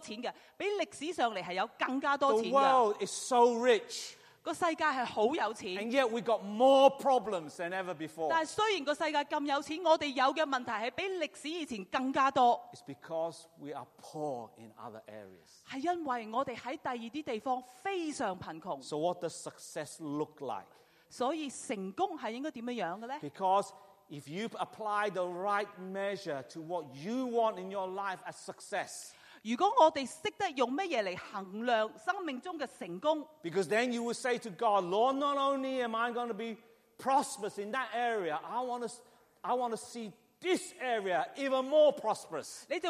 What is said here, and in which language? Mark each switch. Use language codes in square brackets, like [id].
[zh] 你想想，这个世界现在是有很多钱的，比历史上来是有更加多钱的。 [en] The world is so rich. [zh] 世界是很有钱, [en] and yet we got more problems than ever before. [zh] 但虽然世界这么有钱，我们有的问题是比历史以前更加多。 [en] It's because we are poor in other areas. [zh] 是因为我们在其他地方非常贫穷。 [en] So what does success look like? [zh] 所以成功是应该怎么样的呢? [en] Because if you apply the right measure to what you want in your life as success, [zh] 如果我们懂得用什么来衡量生命中的成功, [en] because then you will say to God, Lord, not only am I going to be prosperous in that area, I want to see this area even more prosperous.